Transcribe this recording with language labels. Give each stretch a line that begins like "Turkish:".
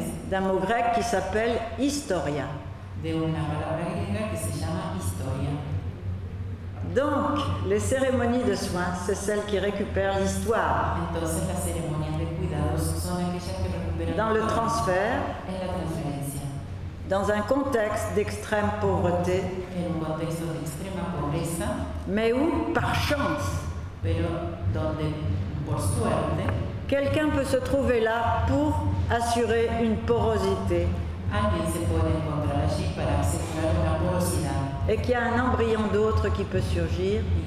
French: D'un mot grec qui s'appelle historia.
Spanish: De una palabra griega que se llama historia.
French: Donc, les cérémonies de soins, c'est celles qui récupèrent l'histoire.
Spanish: Entonces, las ceremonias de cuidados son aquellas que recuperan
French: dans le transfert,
Spanish: en la transferencia.
French: Dans un contexte d'extrême pauvreté,
Spanish: en un contexto de extrema pobreza,
French: mais où, par chance,
Spanish: pero donde, por suerte,
French: quelqu'un peut se trouver là pour assurer une porosité.
Spanish: Alguien se puede encontrar allí para asegurar una porosidad.
French: Et qu'il y a un embryon d'autre qui peut surgir.